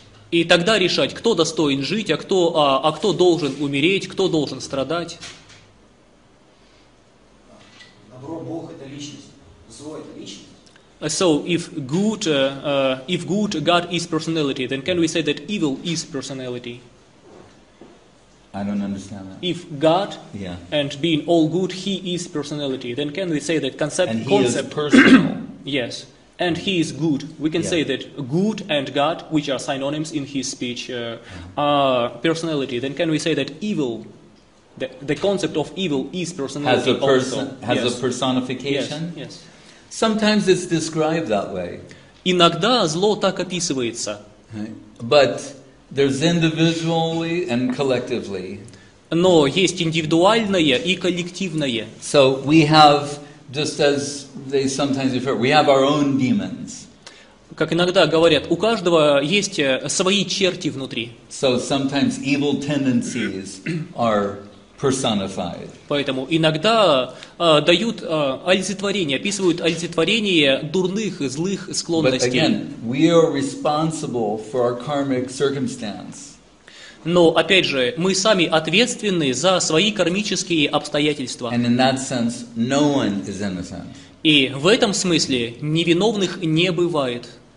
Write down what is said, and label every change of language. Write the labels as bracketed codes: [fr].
[ru] И тогда решать, кто достоин жить, а кто должен умереть, кто должен страдать. Добро Бог это личность, зло это личность. [en] So if good God is personality, then can we say that evil is personality? I don't understand that. If God and being all good, he is personality, then can we say that concept is personal? Yes. And he is good. We can say that good and God, which are synonyms in his speech, are personality. Then can we say that evil, the concept of evil is personality has a person, also? Has a personification? Yes. Sometimes it's described that way. [ru] Иногда зло так описывается. [en] But there's individually and collectively. [ru] Но есть индивидуальное и коллективное. [en] So we have... Just as they sometimes refer, we have our own demons. [ru] Как иногда говорят, у каждого есть свои черти внутри. [en] So sometimes evil tendencies are personified. [ru] Поэтому иногда дают олицетворение, описывают олицетворение дурных, злых склонностей. [en] But again, we are responsible for our karmic circumstance. [ru] Но, опять же, мы сами ответственны за свои кармические обстоятельства. [en] And in that sense, no one is innocent. [ru] И в этом смысле невиновных не бывает.